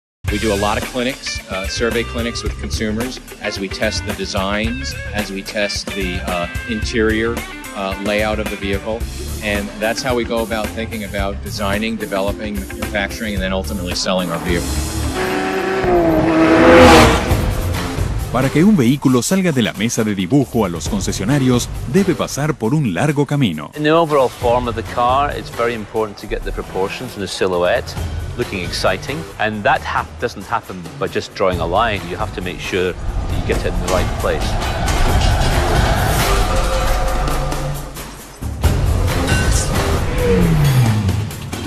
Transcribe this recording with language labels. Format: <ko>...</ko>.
<en>We do a lot of clinics, survey clinics with consumers, as we test the designs, as we test the interior layout of the vehicle. And that's how we go about thinking about designing, developing, manufacturing, and then ultimately selling our vehicle.</en> <es>Para que un vehículo salga de la mesa de dibujo a los concesionarios, debe pasar por un largo camino.</es> <en>In the overall form of the car, it's very important to get the proportions and the silhouette looking exciting. And that doesn't happen by just drawing a line. You have to make sure that you get it in the right place.</en>